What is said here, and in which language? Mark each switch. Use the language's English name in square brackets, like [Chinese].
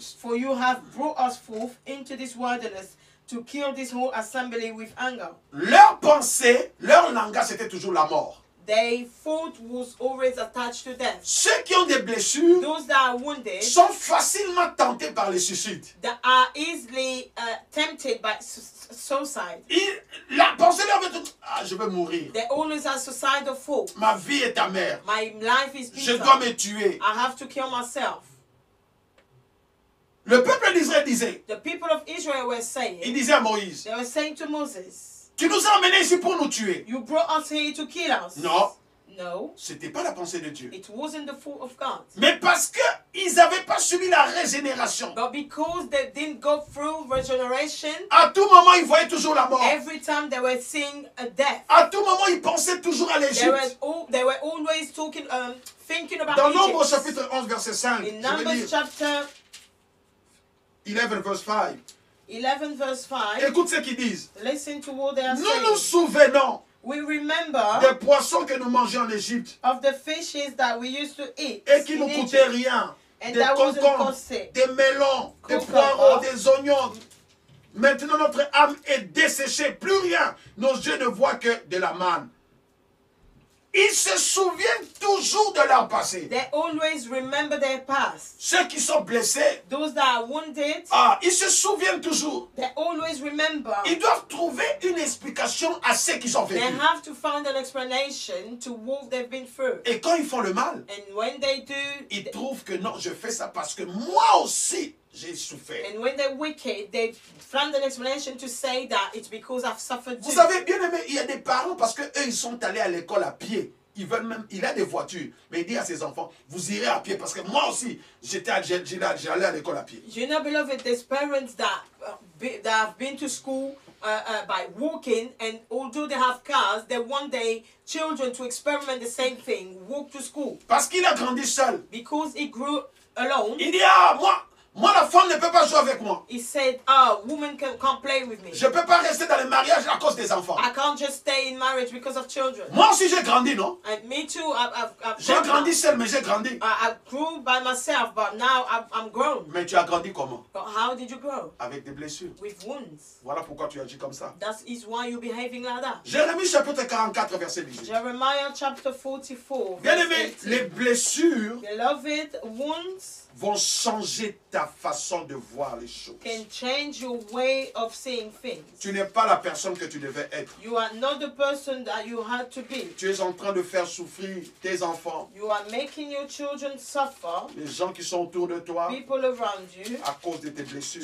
[English] For you have brought us forth into this wilderness to kill this whole assembly with anger. [French] Leur pensée, leur langage, c'était toujours la mort. [English] Their thought was always attached to death. [French] Ceux qui ont des blessures, [English] those that are wounded, [French] sont facilement tentés par le suicide. [English] That are easily tempted by suicide. [French] La pensée leur dit, ah, je vais mourir. [English] They always have suicidal thoughts. [French] Ma vie est amère. [English] My life is bitter. [French] Je dois me tuer. [English] I have to kill myself. [French] Le peuple d'Israël disait. [English] The people of Israel were saying. [French] Ils disaient à Moïse. [English] They were saying to Moses. [French] Tu nous as amenés ici pour nous tuer. [English] You brought us here to kill us. [French] Non. [English] No. [French] C'était pas la pensée de Dieu. [English] It wasn't the thought of God. [French] Mais parce que ils avaient pas subi la régénération. [English] But because they didn't go through regeneration. [French] À tout moment ils voyaient toujours la mort. [English] Every time they were seeing a death. [French] À tout moment ils pensaient toujours à l'Égypte. [English] They were always talking, thinking about. [French] Dans Nombre chapitre 11 verset 5. [English] In Numbers chapter 11 verse 5. 11 verse 5. [French] Écoute ce qu'ils disent. [English] Listen to what they are [French] nous [English] saying. [French] Nous nous souvenons. [English] We remember. [French] Des poissons que nous mangeons en Égypte. [English] Of the fishes that we used to eat. [French] Et qui nous coûtaient rien. And des concombres, des melons, des poireaux, des oignons. Maintenant notre âme est desséchée, plus rien. Nos yeux ne voient que de la manne. Ils se souviennent toujours de leur passé. [English] They always remember their past. [French] Ceux qui sont blessés. [English] Those that are wounded. [French] Ah, ils se souviennent toujours. [English] They always remember. [French] Ils doivent trouver une explication à ce qu'ils ont vécu. [English] They have to find an explanation to what they've been through. [French] Et quand ils font le mal. [English] And when they do. [French] Ils trouvent que non, je fais ça parce que moi aussi. J'ai souffert. [English] And when they're wicked, they find an explanation to say that it's because I've suffered. [French] Vous savez, bien aimé, il y a des parents parce que eux ils sont allés à l'école à pied. Ils veulent même, il a des voitures, mais il dit à ses enfants, vous irez à pied, parce que moi aussi, j'allais à l'école à pied. [English] You know, beloved, there's parents that have been to school by walking, and although they have cars, they want their children to experiment the same thing, walk to school. [French] Parce qu'il a grandi seul. [English] Because he grew alone. [French] Il dit, moi, la femme ne peut pas jouer avec moi. [English] He said, oh, woman can't play with me. [French] Je ne peux pas rester dans le mariage à cause des enfants. [English] I can't just stay in marriage because of children. [French] Moi aussi, j'ai grandi, non? [English] And me too, I've [French] j'ai grandi seul, mais j'ai grandi. [English] I grew by myself, but now I'm grown. [French] Mais tu as grandi comment? [English] But how did you grow? [French] Avec des blessures. [English] With wounds. [French] Voilà pourquoi tu agis comme ça. [English] That is why you're behaving like that. [French] Jérémie chapitre 44, verset 18. [English] Jeremiah chapter 44. [French] Bien aimé, les blessures. [English] Beloved, wounds. [French] Vont changer ta façon de voir les choses. [English] Can change your way of seeing things. [French] Tu n'es pas la personne que tu devais être. [English] You are not the person that you had to be. [French] Tu es en train de faire souffrir tes enfants. [English] You are making your children suffer. [French] Les gens qui sont autour de toi. [English] People around you. [French] À cause de tes blessures.